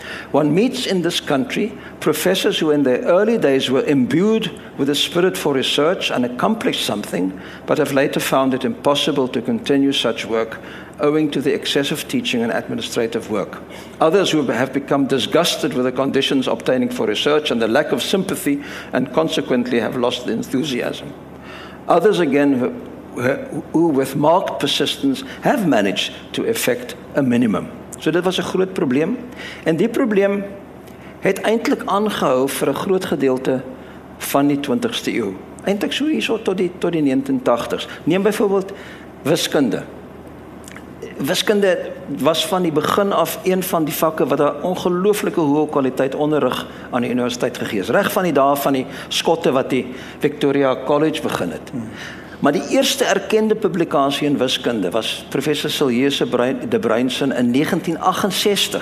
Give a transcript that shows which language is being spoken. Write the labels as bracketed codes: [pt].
[en] One meets in this country professors who in their early days were imbued with a spirit for research and accomplished something, but have later found it impossible to continue such work owing to the excessive teaching and administrative work. Others who have become disgusted with the conditions obtaining for research and the lack of sympathy and consequently have lost the enthusiasm. Others again who with marked persistence have managed to effect a minimum. [af] So dit was 'n groot probleem. En die probleem het eintlik aangehou vir 'n groot gedeelte van die 20ste eeu. Eintlik so hierso tot die 1980s. Neem byvoorbeeld wiskunde. Wiskunde was van die begin af een van die vakke wat 'n ongelooflike hoë kwaliteit onderrig aan die universiteit gegee is. Reg van die dae van die Skotte wat die Victoria College begin het. Maar die eerste erkende publikasie in wiskunde was professor Siljese de Bruinsen in 1968.